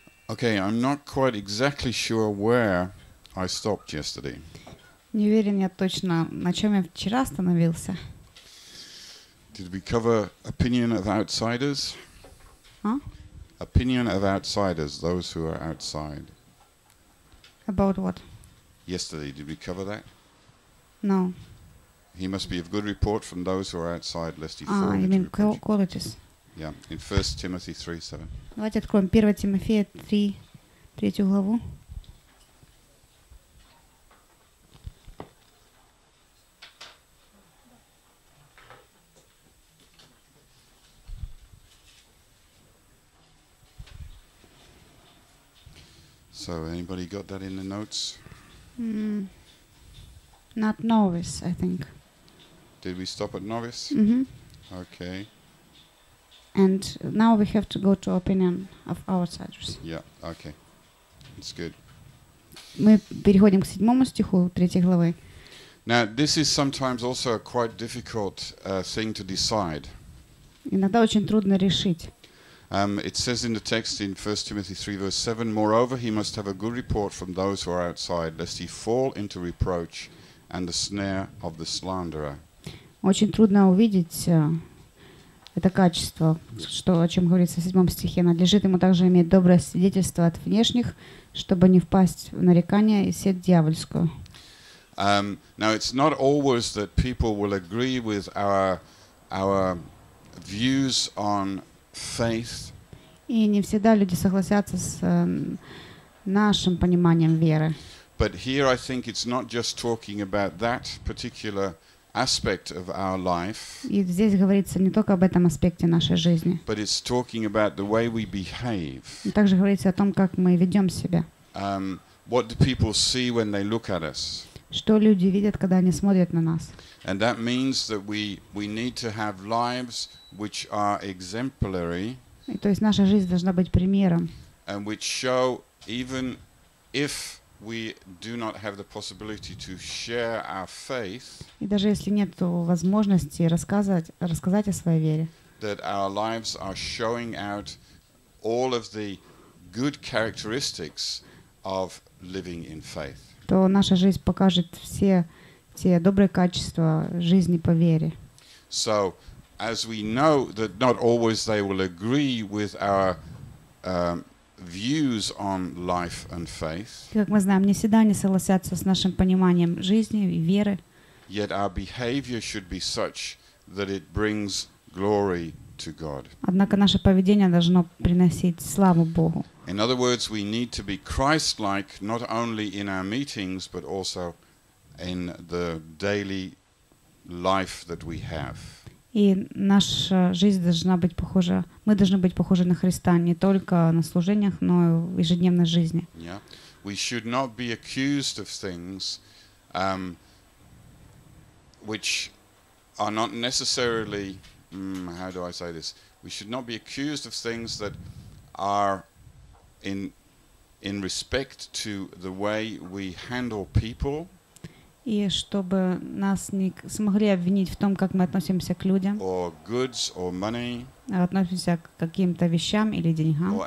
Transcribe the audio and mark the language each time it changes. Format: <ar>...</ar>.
<en>Okay, I'm not quite exactly sure where I stopped yesterday.</en> <ru>Не уверен я точно, на чем я вчера остановился.</ru> <en>Did we cover opinion of outsiders? Opinion of outsiders, those who are outside. About what? Yesterday, did we cover that? No. He must be of good report from those who are outside, lest he fall into reproach. You mean colleges? Yeah, in 1 Timothy 3:7.</en> <ru>Давайте откроем 1 Тимофея 3, 3 главу.</ru> <en>So, anybody got that in the notes? Not novice, I think. Did we stop at novice? Mm-hmm. Okay. And now we have to go to opinion of outsiders. Yeah, okay. It's good.</en> <ru>Мы переходим к седьмому стиху третьей главы.</ru> <en>Now, this is sometimes also a quite difficult thing to decide.</en> <ru>Иногда очень трудно решить.</ru> <en>It says in the text in 1 Timothy 3, verse 7, moreover, he must have a good report from those who are outside, lest he fall into reproach and the snare of the slanderer.</en> <ru>Очень трудно увидеть это качество, что, о чем говорится в 7 стихе. Надлежит ему также иметь доброе свидетельство от внешних, чтобы не впасть в нарекание и сеть дьявольскую.</ru> <en>Now, it's not always that people will agree with our views on faith.</en> <ru>И не всегда люди согласятся с нашим пониманием веры.</ru> <en>But here I think it's not just talking about that particular aspect of our life.</en> <ru>И здесь говорится не только об этом аспекте нашей жизни.</ru> <en>But it's talking about the way we behave.</en> <ru>Также говорится о том, как мы ведем себя.</ru> <en>What do people see when they look at us?</en> <ru>Что люди видят, когда они смотрят на нас?</ru> <en>And that means that we need to have lives which are exemplary.</en> <ru>И то есть наша жизнь должна быть примером.</ru> <en>And which show, even if we do not have the possibility to share our faith,</en> <ru>и даже если нет возможности рассказать о своей вере,</ru> <en>that our lives are showing out all of the good characteristics of living in faith,</en> <ru>то наша жизнь покажет все те добрые качества жизни по вере.</ru> <en>So, as we know that not always they will agree with our views on life and faith,</en> <ru>как мы знаем, не всегда они согласятся с нашим пониманием жизни и веры,</ru> <en>yet our behavior should be such that it brings glory to God.</en> <ru>Однако наше поведение должно приносить славу Богу.</ru> <en>In other words, we need to be Christ-like not only in our meetings, but also in the daily life that we have.</en> <ru>И наша жизнь должна быть похожа, мы должны быть похожи на Христа, не только на служениях, но и в ежедневной жизни.</ru> <en>Yeah. We should not be accused of things which are not necessarily, how do I say this? We should not be accused of things that are in respect to the way we handle people.</en> <ru>И чтобы нас не смогли обвинить в том, как мы относимся к людям,</ru> <en>or goods, or money,</en> <ru>относимся к каким-то вещам или деньгам,</ru>